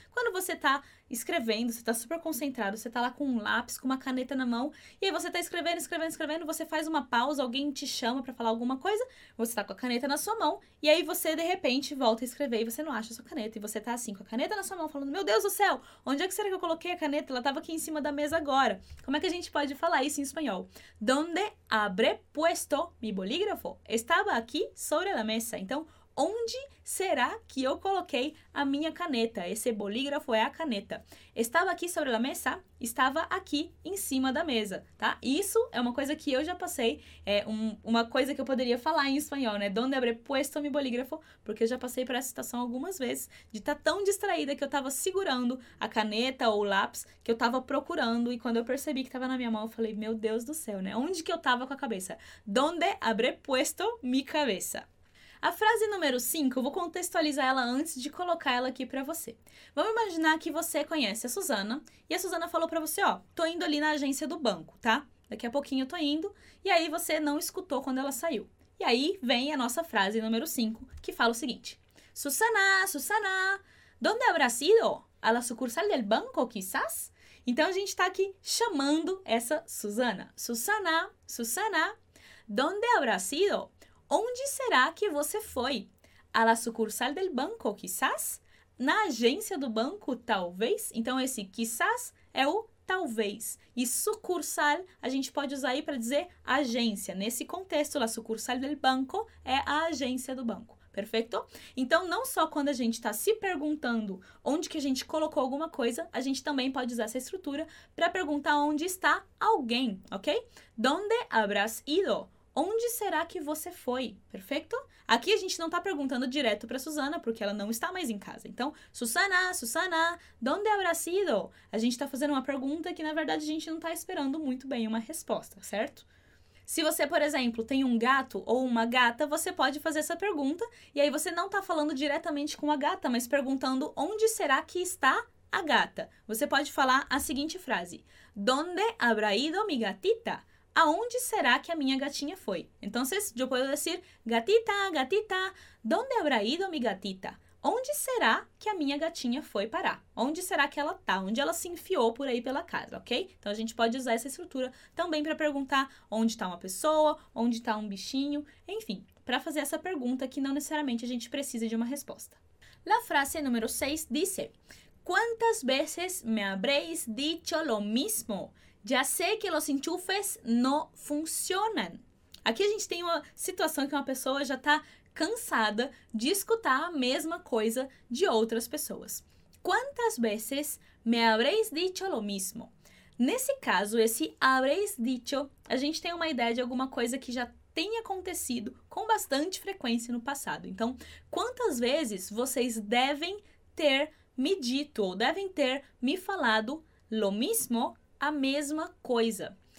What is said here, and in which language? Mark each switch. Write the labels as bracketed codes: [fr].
[pt] Quando você está escrevendo, você está super concentrado, você está lá com um lápis, com uma caneta na mão, e aí você está escrevendo, escrevendo, escrevendo, você faz uma pausa, alguém te chama para falar alguma coisa, você está com a caneta na sua mão, e aí você, de repente, volta a escrever e você não acha a sua caneta. E você está assim, com a caneta na sua mão, falando, meu Deus do céu, onde é que será que eu coloquei a caneta? Ela estava aqui em cima da mesa agora. Como é que a gente pode falar isso em espanhol? [es] ¿Dónde habré puesto mi bolígrafo? Estava aqui sobre la mesa. [pt] Então, onde será que eu coloquei a minha caneta? Esse bolígrafo é a caneta. Estava aqui [es] sobre la mesa? [pt] Estava aqui em cima da mesa, tá? Isso é uma coisa que eu já passei, uma coisa que eu poderia falar em espanhol, né? [es] ¿Dónde habré puesto mi bolígrafo? [pt] Porque eu já passei por essa situação algumas vezes, de estar tão distraída que eu estava segurando a caneta ou o lápis que eu estava procurando, e quando eu percebi que estava na minha mão, eu falei, meu Deus do céu, né? Onde que eu estava com a cabeça? [es] ¿Dónde habré puesto mi cabeza? [pt] A frase número 5, eu vou contextualizar ela antes de colocar ela aqui pra você. Vamos imaginar que você conhece a Suzana, e a Suzana falou pra você, ó, tô indo ali na agência do banco, tá? Daqui a pouquinho eu tô indo, e aí você não escutou quando ela saiu. E aí vem a nossa frase número 5, que fala o seguinte. [es] Susana, Susana, ¿dónde habrás ido? A la sucursal del banco, quizás? [pt] Então a gente tá aqui chamando essa Suzana. [es] Susana, Susana, ¿dónde habrás ido? [pt] Onde será que você foi? [es] A la sucursal del banco, quizás? [pt] Na agência do banco, talvez? Então, esse quizás é o talvez. E sucursal, a gente pode usar aí para dizer agência. Nesse contexto, [es] la sucursal del banco [pt] é a agência do banco. Perfeito? Então, não só quando a gente está se perguntando onde que a gente colocou alguma coisa, a gente também pode usar essa estrutura para perguntar onde está alguém, ok? [es] ¿Dónde habrás ido? [pt] Onde será que você foi? Perfeito? Aqui a gente não está perguntando direto para a Susana, porque ela não está mais em casa. Então, [es] Susana, Susana, ¿dónde habrás ido? [pt] A gente está fazendo uma pergunta que, na verdade, a gente não está esperando muito bem uma resposta, certo? Se você, por exemplo, tem um gato ou uma gata, você pode fazer essa pergunta e aí você não está falando diretamente com a gata, mas perguntando onde será que está a gata. Você pode falar a seguinte frase: [es] ¿Dónde habrá ido mi gatita? [pt] Aonde será que a minha gatinha foi? Então, eu posso dizer: [es] gatita, gatita, ¿dónde habrá ido mi gatita? [pt] Onde será que a minha gatinha foi parar? Onde será que ela tá? Onde ela se enfiou por aí pela casa, ok? Então, a gente pode usar essa estrutura também para perguntar onde está uma pessoa, onde está um bichinho, enfim, para fazer essa pergunta que não necessariamente a gente precisa de uma resposta. [es] La frase número 6 dice: ¿Cuántas veces me habréis dicho lo mismo? Ya sé que los enchufes no funcionan. [pt] Aqui a gente tem uma situação que uma pessoa já está cansada de escutar a mesma coisa de outras pessoas. [es] ¿Cuántas veces me habréis dicho lo mismo? [pt] Nesse caso, esse [es] habréis dicho, [pt] a gente tem uma ideia de alguma coisa que já tem acontecido com bastante frequência no passado. Então, quantas vezes vocês devem ter me dito ou devem ter me falado [es] lo mismo, [pt] a mesma coisa?